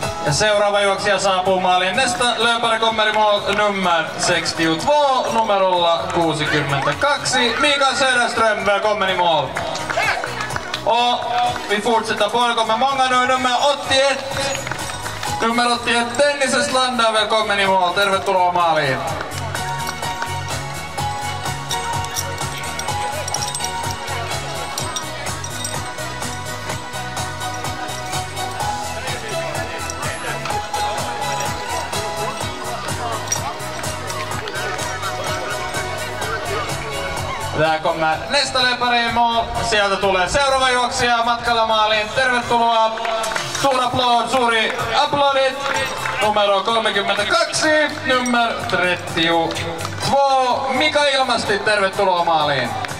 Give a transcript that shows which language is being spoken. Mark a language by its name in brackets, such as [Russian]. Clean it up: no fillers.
[Finnish] Seuraava juoksija saapuu maaliin. [Swedish] Nästa löparekommeri mål nummer 62, [Finnish] numerolla 62. [Swedish] Mikael Söderström, välkommen i mål. Och vi fortsätter på. Kommer många nu, nummer 81. Nummer 81, Dennis Eslanda, välkommen i mål. [Finnish] Tervetuloa maaliin. Tervetuloa maaliin. Tää [Swedish] kommer nästa löpare i mål. [Finnish] Sieltä tulee seuraava juoksija matkalla maaliin. Tervetuloa. Suuri aplodit. Numero 32, [Swedish] nummer 32. [Finnish] Mika Ilmasti, tervetuloa maaliin.